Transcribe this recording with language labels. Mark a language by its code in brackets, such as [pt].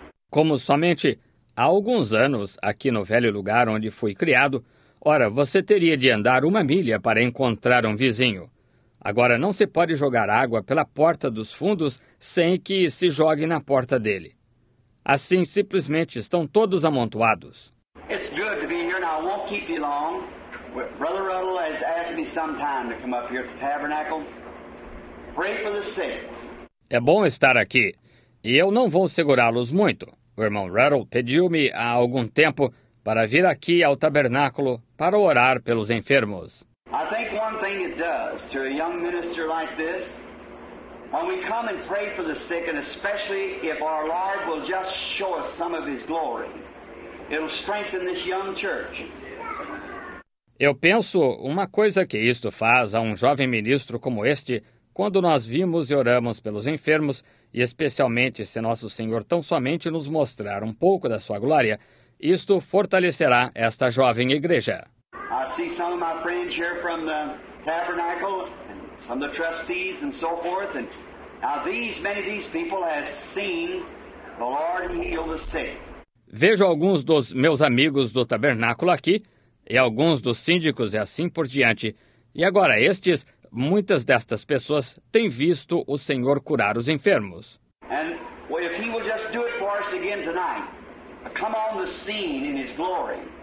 [pt] Como somente há alguns anos aqui no velho lugar onde fui criado, ora, você teria de andar uma milha para encontrar um vizinho. Agora, não se pode jogar água pela porta dos fundos sem que se jogue na porta dele. Assim, simplesmente, estão todos amontoados. [en] It's good to be here, and I won't keep you long. Brother Ruddle has asked me sometime to come up here to the tabernacle. Pray for the sick. [pt] É bom estar aqui, e eu não vou segurá-los muito. O irmão Ruddle pediu-me há algum tempo para vir aqui ao tabernáculo para orar pelos enfermos. [en] I think one thing it does to a young minister like this When we come and pray for the sick, and especially if our Lord will just show us some of His glory, it'll strengthen this young church. [pt] Eu penso uma coisa que isto faz a um jovem ministro como este, quando nós vimos e oramos pelos enfermos, e especialmente se nosso Senhor tão somente nos mostrar um pouco da sua glória, isto fortalecerá esta jovem igreja. [en] I see some of my friends here from the tabernacle, some of the trustees and so forth, and now these, many of these people have seen the Lord heal the sick. [pt] Vejo alguns dos meus amigos do tabernáculo aqui, e alguns dos síndicos e assim por diante. E agora estes, muitas destas pessoas têm visto o Senhor curar os enfermos. [en] And if He will just do it for us again tonight, come on the scene in His glory.